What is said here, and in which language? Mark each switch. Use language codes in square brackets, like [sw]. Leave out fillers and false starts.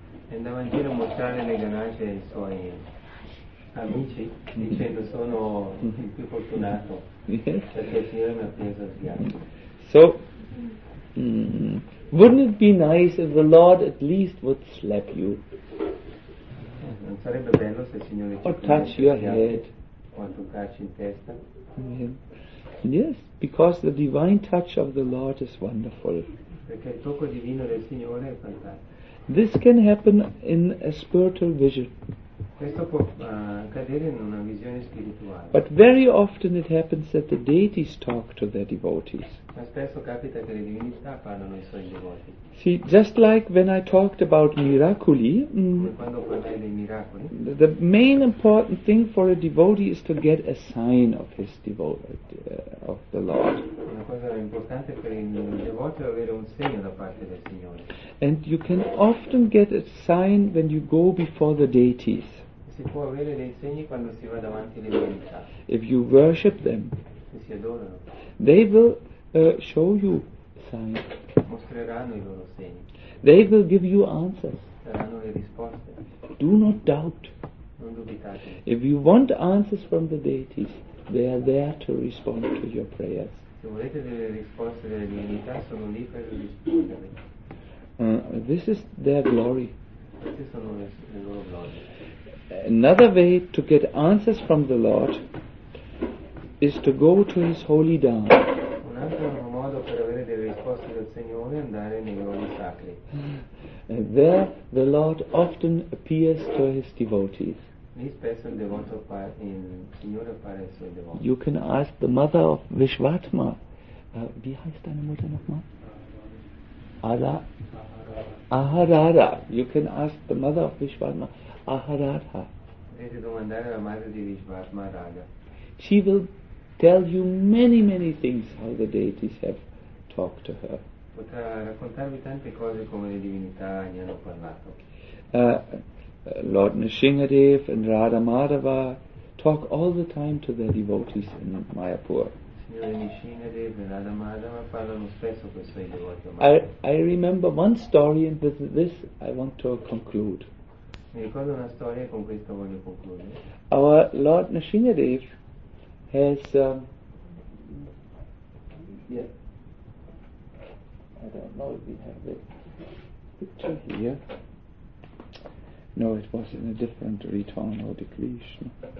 [it] E andava in giro a mostrare le ganache ai suoi amici dicendo sono il più fortunato perché il Signore mi ha preso a sghiaccio. [en] So wouldn't it be nice if the Lord at least would slap you? [it] Non sarebbe bello se il Signore [en] or touch your head [it] o toccarci in testa. [en] Yes, because the divine touch of the Lord is wonderful. [it] Perché il tocco divino del Signore è fantastico. [en] This can happen in a spiritual vision. [it] Questo può accadere in una visione spirituale. [en] But very often it happens that the deities talk to their devotees. [it] spesso capita che le divinità parlano ai suoi devoti. [en] See, just like when I talked about miracoli, [it] quando parlai dei miracoli, [en] the main important thing for a devotee is to get a sign of his devotee, of the Lord. [it] Una cosa importante per il devoto è avere un segno da parte del Signore. [en] And you can often get a sign when you go before the deities. [it] Si può avere dei segni quando si va davanti alle divinità. [en] If you worship them, [it] se si adorano, [en] they will show you signs. [it] Mostreranno i loro segni. [en] They will give you answers. [it] Daranno le risposte. [en] Do not doubt. [it] Non dubitate. [en] If you want answers from the deities, they are there to respond to your prayers. [it] Se volete delle risposte delle divinità, sono lì per rispondere. [en] This is their glory. [it] Queste sono le loro glorie. [en] Another way to get answers from the Lord is to go to His holy Dham. [it] Un altro modo per avere delle risposte dal Signore è andare nei luoghi sacri. [en] And there the Lord often appears to His devotees. [it] Lì spesso il devoto Signore appare ai suoi devoti. [en] You can ask the mother of Vishvatma. [de] Wie heißt deine Mutter nochmal? [en] Ala? Aharara. You can ask the mother of Vishvatma. Aharadha. [it] Devi domandare alla madre di Vishvatma Radha. [en] She will tell you many, many things how the deities have talked to her. [it] Potrà raccontarvi tante cose come le divinità gli hanno parlato. [en] Lord Nrsingadev and Radha Madhava talk all the time to their devotees in Mayapur. [it] Signore Nrsingadev e Radha Madhava parlano spesso con i suoi devoti. [en] I remember one story, and with this I want to conclude. [it] Mi ricordo una storia, con questo voglio concludere. [en] Our Lord Nrsingadev has I don't know if we have the picture here. No, it was in a different return or decretion.